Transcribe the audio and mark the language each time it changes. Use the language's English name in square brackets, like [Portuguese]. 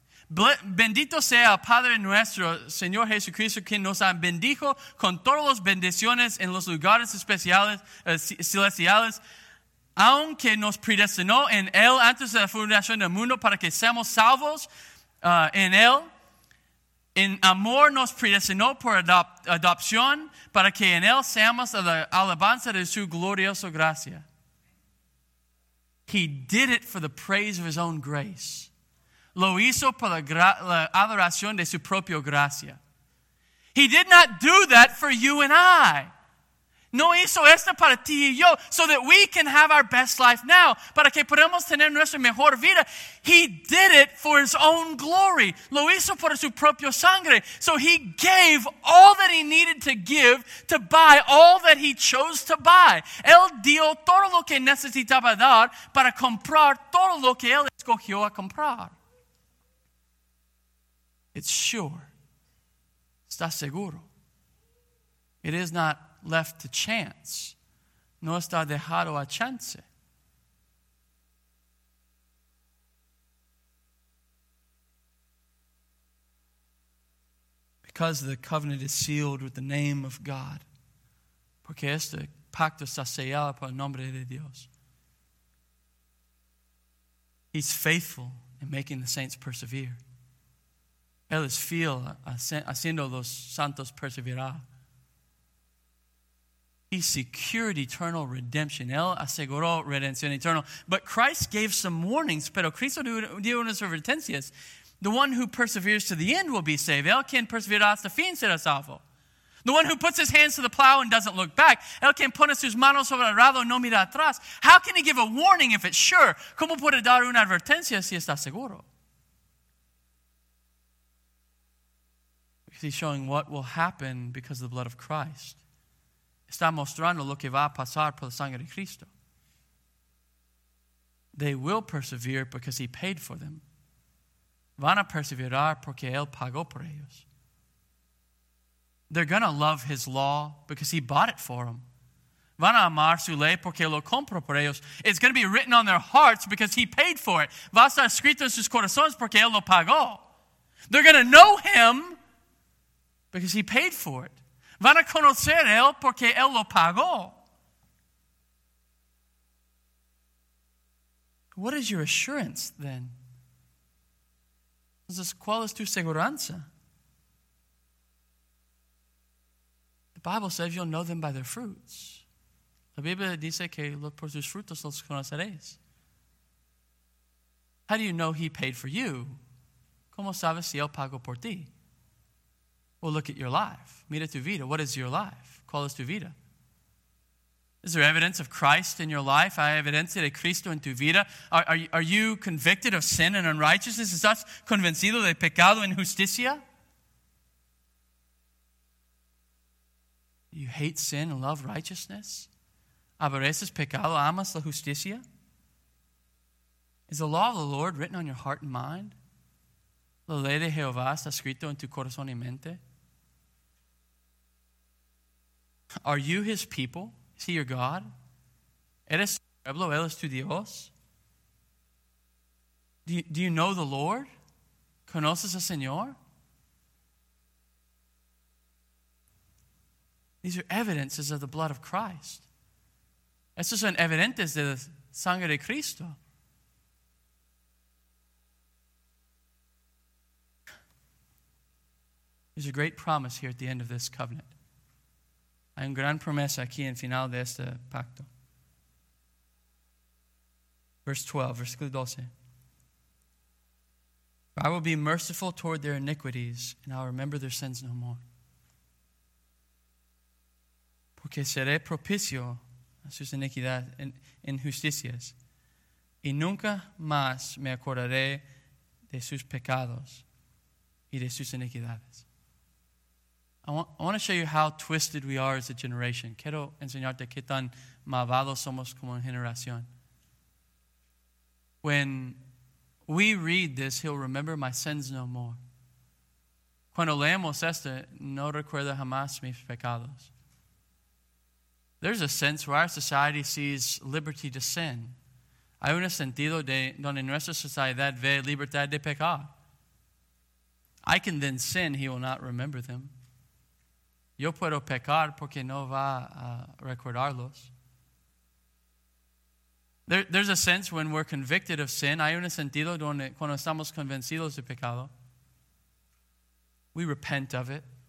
[Spanish] Bendito sea Padre nuestro, Señor Jesucristo, quien nos ha bendijo con todas las bendiciones en los lugares especiales, celestiales, aunque nos predestinó en Él antes de la fundación del mundo para que seamos salvos en Él. En amor nos predestinó por adopción para que en Él seamos la alabanza de su gloriosa gracia. [English] He did it for the praise of his own grace. [Spanish] Lo hizo por la adoración de su propia gracia. [English] He did not do that for you and I. [Spanish] No hizo esto para ti y yo, [English] so that we can have our best life now, [Spanish] para que podamos tener nuestra mejor vida. [English] He did it for his own glory. [Spanish] Lo hizo por su propio sangre. [English] So he gave all that he needed to give to buy all that he chose to buy. [Spanish] Él dio todo lo que necesitaba dar para comprar todo lo que él escogió a comprar. [English] It's sure. [Spanish] Está seguro. [English] It is not left to chance. [Spanish] No está dejado a chance. [English] Because the covenant is sealed with the name of God. [Spanish] Porque este pacto está sellado por el nombre de Dios. [English] He's faithful in making the saints persevere. [Spanish] Él es fiel haciendo los santos perseverar. [English] He secured eternal redemption. [Spanish] Él aseguró redención eterna. [English] But Christ gave some warnings, [Spanish] pero Cristo dio unas advertencias. [English] The one who perseveres to the end will be saved. [Spanish] Él quien perseverará hasta fin será salvo. [English] The one who puts his hands to the plow and doesn't look back. [Spanish] El quien pone sus manos sobre el arado no mira atrás. [English] How can he give a warning if it's sure? [Spanish] ¿Cómo puede dar una advertencia si está seguro? [English] He's showing what will happen because of the blood of Christ. [Spanish] Está mostrando lo que va a pasar por la sangre de Cristo. [English] They will persevere because he paid for them. [Spanish] Van a perseverar porque él pagó por ellos. [English] They're going to love his law because he bought it for them. [Spanish] Van a amar su ley porque lo compró por ellos. [English] It's going to be written on their hearts because he paid for it. [Spanish] Va a estar escrito en sus corazones porque él lo pagó. [English] They're going to know him because he paid for it. [Spanish] Van a conocer él porque él lo pagó. [English] What is your assurance then? [Spanish] Entonces, ¿cuál es tu seguranza? [English] The Bible says you'll know them by their fruits. [Spanish] La Biblia dice que por sus frutos los conoceréis. [English] How do you know he paid for you? [Spanish] ¿Cómo sabes si él pagó por ti? [English] Well, look at your life. [Spanish] Mira tu vida. [English] What is your life? [Spanish] ¿Cuál es tu vida? [English] Is there evidence of Christ in your life? [Spanish] ¿Hay evidencia de Cristo en tu vida? [English] Are you convicted of sin and unrighteousness? [Spanish] ¿Estás convencido de pecado e injusticia? [English] You hate sin and love righteousness? [Spanish] ¿Aborreces pecado? ¿Amas la justicia? [English] Is the law of the Lord written on your heart and mind? [Spanish] ¿La ley de Jehová está escrito en tu corazón y mente? [English] Are you his people? Is he your God? [Spanish] ¿Eres tu pueblo? ¿Él es tu Dios? [English] Do you know the Lord? [Spanish] ¿Conoces al Señor? [English] These are evidences of the blood of Christ. [Spanish] Estos son evidentes de la sangre de Cristo. [English] There's a great promise here at the end of this covenant. [Spanish] Hay una gran promesa aquí en final de este pacto. Versículo 12. [English] I will be merciful toward their iniquities and I'll remember their sins no more. [Spanish] Porque seré propicio a sus iniquidades e injusticias y nunca más me acordaré de sus pecados y de sus iniquidades. [English] I want to show you how twisted we are as a generation. [Spanish] Quiero enseñarte qué tan malvados somos como generación. [English] When we read this, he'll remember my sins no more. [Spanish] Cuando leemos esto, no recuerda jamás mis pecados. [English] There's a sense where our society sees liberty to sin. [Spanish] Hay un sentido de donde nuestra sociedad ve libertad de pecar. [English] I can then sin, he will not remember them. [Spanish] Yo puedo pecar porque no va a recordarlos. [English] There's a sense when we're convicted of sin. [Spanish] Hay un sentido donde cuando estamos convencidos de pecado, [English] we repent of it.